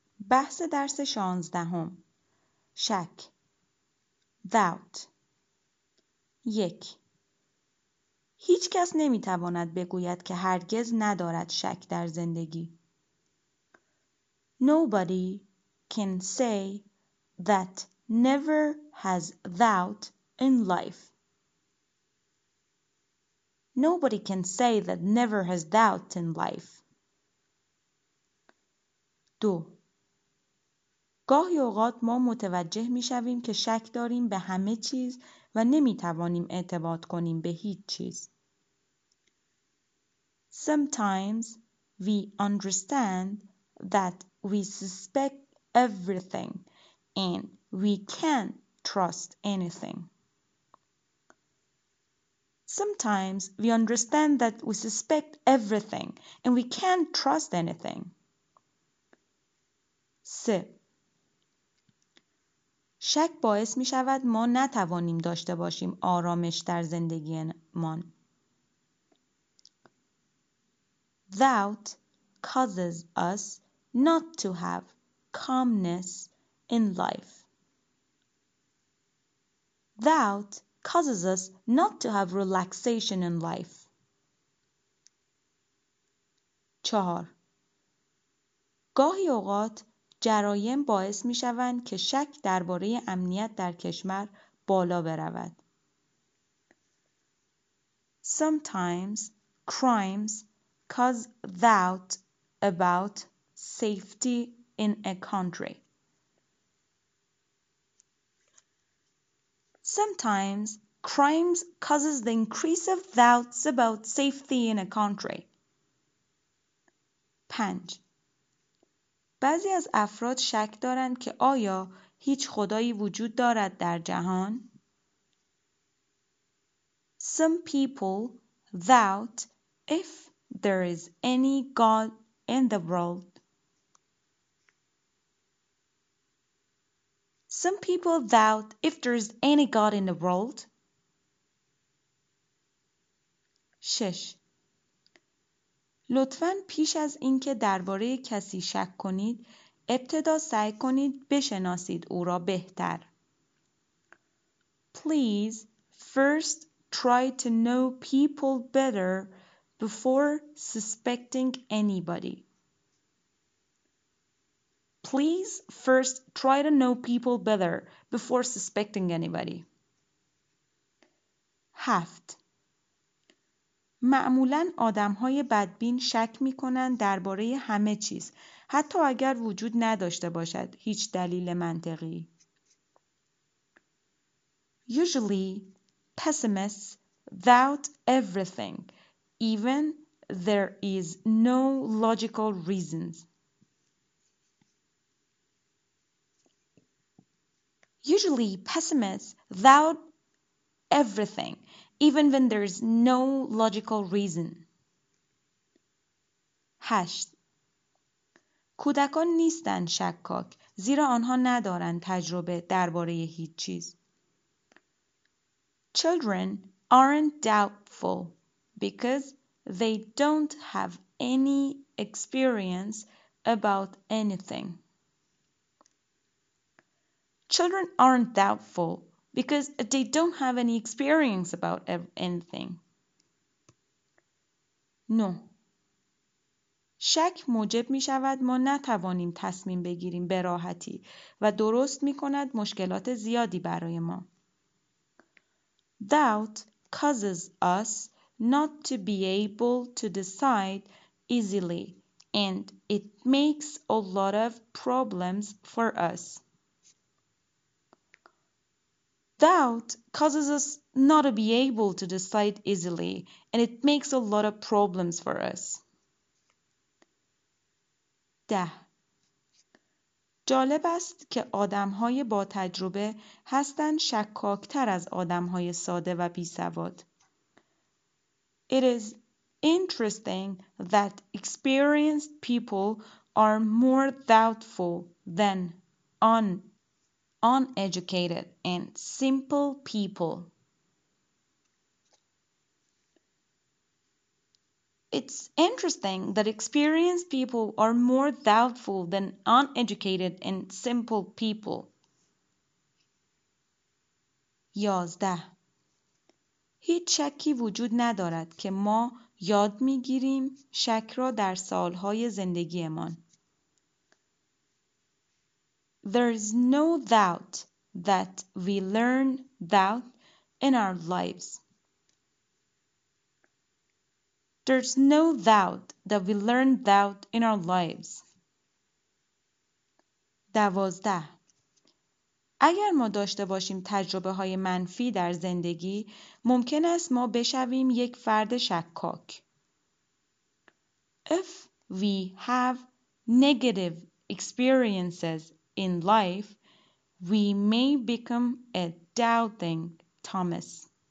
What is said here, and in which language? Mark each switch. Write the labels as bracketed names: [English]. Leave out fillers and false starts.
[Persian] بحث درس 16 شک doubt 1 هیچ کس نمیتواند بگوید که هرگز ندارد شک در زندگی. [English] Nobody can say that never has doubt in life. Nobody can say that never has doubt in life. [Persian] 2 گاهی اوقات ما متوجه می شویم که شک داریم به همه چیز و نمی توانیم اعتماد کنیم به هیچ چیز. [English] Sometimes we understand that we suspect everything and we can't trust anything. Sometimes we understand that we suspect everything and we can't trust anything. [Persian] 3 شک باعث می شود ما نتوانیم داشته باشیم آرامش در زندگیمان. [English] Doubt causes us not to have calmness in life. Doubt causes us not to have relaxation in life. [Persian] 4 گاهی اوقات جرایم باعث می شوند که شک درباره امنیت در کشور بالا برود. [English] Sometimes crimes cause doubt about safety in a country. Sometimes crimes causes the increase of doubts about safety in a country. [Persian] 5 بعضی از افراد شک دارند که آیا هیچ خدایی وجود دارد در جهان؟ [English] Some people doubt if there is any God in the world. Some people doubt if there is any God in the world. [Persian] 6 لطفاً پیش از اینکه درباره کسی شک کنید، ابتدا سعی کنید بشناسید او را بهتر. [English] Please first try to know people better before suspecting anybody. Please first try to know people better before suspecting anybody. [Persian] 7 معمولاً آدم‌های بدبین شک می‌کنند درباره همه چیز، حتی اگر وجود نداشته باشد هیچ دلیل منطقی. [English] Usually, pessimists doubt everything, even there is no logical reasons. Usually, pessimists doubt everything. Even when there is no logical reason. [Persian] 8 کودکان نیستند شکاک زیرا آنها ندارند تجربه درباره هیچ چیز. [English] Children aren't doubtful because they don't have any experience about anything. Children aren't doubtful because they don't have any experience about anything. No. [Persian] شک موجب می شود ما نتوانیم تصمیم بگیریم به راحتی و درست می کند مشکلات زیادی برای ما. [English] Doubt causes us not to be able to decide easily and it makes a lot of problems for us. Doubt causes us not to be able to decide easily, and it makes a lot of problems for us. 10. [Persian] جالب است که آدم‌های با تجربه هستند شکاک‌تر از آدم‌های ساده و بی‌سواد. [English] It is interesting that experienced people are more doubtful than uneducated and simple people. It's interesting that experienced people are more doubtful than uneducated and simple people. 11. [Persian] هیچ شکی وجود ندارد که ما یاد میگیریم شک را در سالهای زندگیمان. [English] There is no doubt that we learn doubt in our lives. There's no doubt that we learn doubt in our lives. 12. [Persian] اگر ما داشته باشیم تجربه های منفی در زندگی، ممکن است ما بشویم یک فرد شکاک. [English] If we have negative experiences in life, we may become a doubting Thomas.